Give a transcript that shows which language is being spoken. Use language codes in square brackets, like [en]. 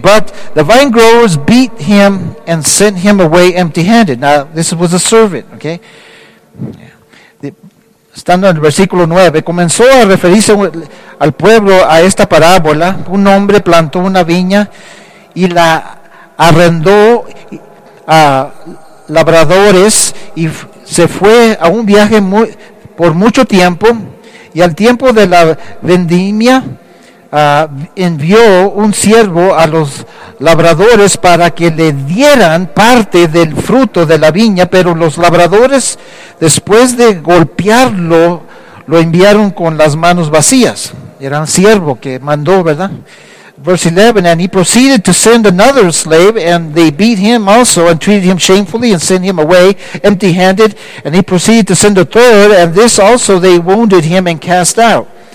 [en] But the vine growers beat him and sent him away empty-handed. Now, this was a servant, okay? [es] Estando en el versículo 9, comenzó a referirse al pueblo a esta parábola. Un hombre plantó una viña y la arrendó a labradores y se fue a un viaje por mucho tiempo. Y al tiempo de la vendimia envió un siervo a los labradores para que le dieran parte del fruto de la viña, pero los labradores, después de golpearlo, lo enviaron con las manos vacías. Era un siervo que mandó, ¿verdad? [en] Verse 11, and he proceeded to send another slave, and they beat him also, and treated him shamefully, and sent him away empty-handed. And he proceeded to send a third, and this also they wounded him and cast out.